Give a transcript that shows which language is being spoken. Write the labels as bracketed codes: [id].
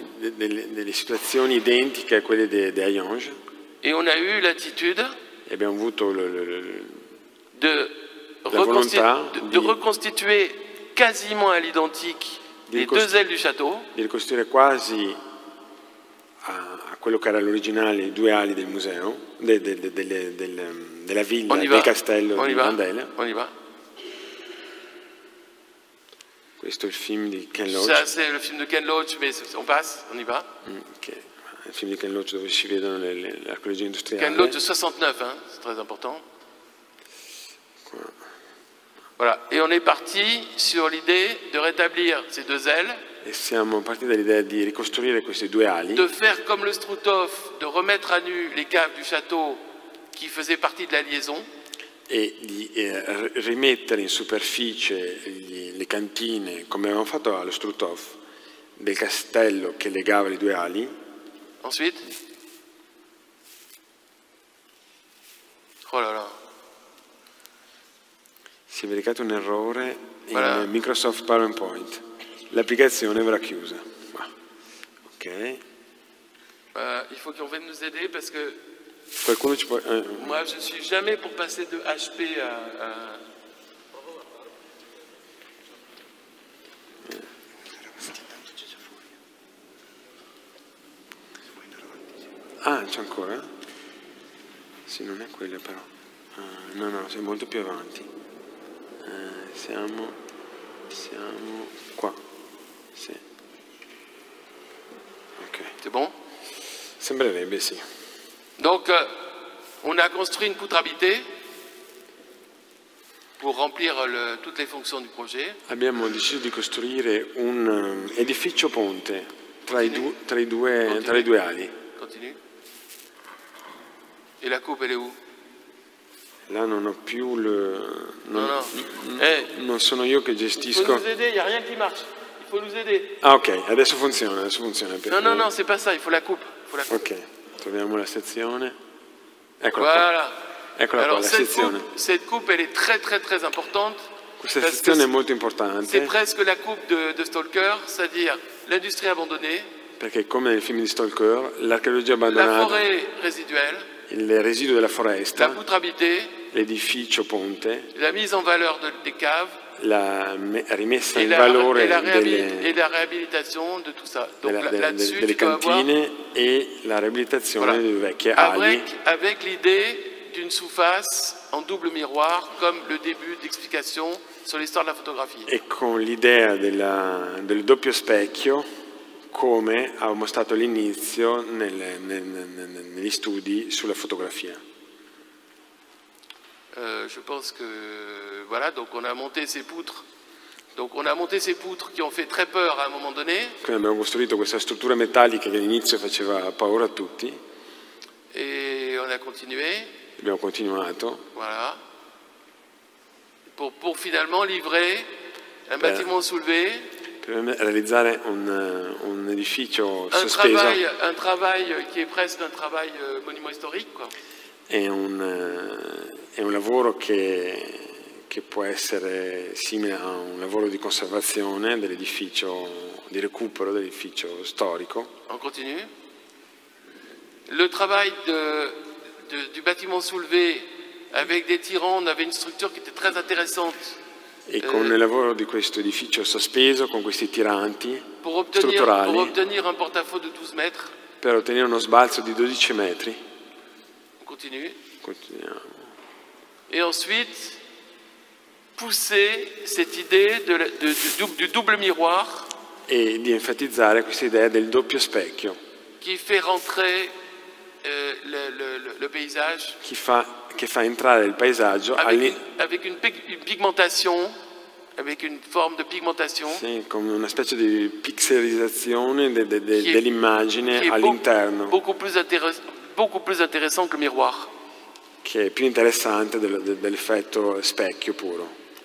[fr] Des situations identiques à celles de Hayange. Et on a eu l'attitude. Et bien, vous de reconstituer quasiment à l'identique les deux ailes du château. [it] De reconstituire quasi a quello che era l'originale, i due ali del museo, della villa, del castello di Mandela. [fr] On y va. [it] Questo è il film di Ken Loach. [fr] C'est le film de Ken Loach, mais on passe, on y va. Okay. [it] Il film di Ken Loach dove si vedono le archeologie industriali. [fr] Ken Loach de 69, hein, c'est très important. Voilà. Et on est parti sur l'idée de rétablir ces deux ailes. [it] Et siamo partiti dall'idea di ricostruire queste due ali. [fr] De faire comme le Struthof, de remettre à nu les caves du château qui faisaient partie de la liaison. [it] Et di rimettere in superficie le cantine, comme avevamo fatto allo Struthof, del castello che legava le due ali. [fr] Ensuite. Oh là là. [it] Si è verificato un errore in voilà. Microsoft PowerPoint. L'applicazione verrà chiusa. Ok. [fr] Il faut qu'on vienne nous aider parce que. [it] Qualcuno ci può. [fr] Moi, je ne suis jamais pour passer de HP à. [it] Ah, c'è ancora? Sì, non è quella però. No, sei molto più avanti. Siamo qua. Sì. Ok. [fr] C'est bon? [it] Sembrerebbe sì. [fr] Donc on a construit une poutre habitée pour remplir toutes les fonctions du projet. [it] Abbiamo deciso di costruire un edificio ponte tra i due ali. [fr] Continue. Et la coupe elle est où? [it] Là, non ho più le. Non, non. Non sono io che gestisco. [fr] Il faut nous aider, il n'y a rien qui marche. Il faut nous aider. [it] Ah, ok, adesso funziona. [fr] Non, non, non, c'est pas ça, il faut la coupe. [it] Ok, troviamo la sezione. Eccola voilà. Qua. Eccola [fr] alors, [it] qua, la sezione. [fr] Cette coupe, elle est très, très, très importante. [it] Questa sezione è molto importante. [fr] C'est presque la coupe de Stalker, c'est-à-dire l'industrie abbandonnée. [it] Perché, come nel film di Stalker, l'archeologia abbandonata. [fr] La forêt résiduelle. [it] Le residui della foresta, [fr] la poutre habitée, [it] l'edificio ponte, [fr] la mise en valeur des caves, [it] la rimessa in valore [fr] et la réhabilitation de tout ça. Donc [it] delle cantine e la riabilitazione delle vecchie ali. [fr] Avec l'idée d'une sous-face en double miroir, comme le début d'explication sur l'histoire de la photographie. [it] E con l'idea del doppio specchio, come ho mostrato all'inizio negli studi sulla fotografia. [fr] Je pense que voilà, donc on a monté ces poutres. Donc on a monté ces poutres qui ont fait très peur à un moment donné. [it] Quindi abbiamo costruito questa struttura metallica che all'inizio faceva paura a tutti. [fr] Et on a continué. [it] Abbiamo continuato. [fr] Voilà. Pour finalement livrer un bâtiment soulevé. [it] Per realizzare un edificio un sospeso. [fr] Travail, un travail qui est presque un travail monument historique. Quoi. [it] È un lavoro che può essere simile a un lavoro di conservazione dell'edificio, di recupero dell'edificio storico. [fr] On continue. Le travail du bâtiment soulevé avec des tirants, on avait une structure qui était très intéressante. [it] E con il lavoro di questo edificio sospeso, con questi tiranti strutturali, per ottenere un portafoglio di 12 metri, per ottenere uno sbalzo di 12 metri. [fr] Continue. [it] Continuiamo. [fr] E ensuite, pousser cette idée du double miroir. [it] E di enfatizzare questa idea del doppio specchio. [fr] Qui fait rentrer le paysage. [it] Che fa entrare il paesaggio [fr] avec une pigmentation, avec une forme de pigmentation, [it] sì, come una specie di pixelizzazione dell'immagine all'interno, [fr] beaucoup plus intéressant que le miroir, [it] che è più interessante dell'effetto specchio puro.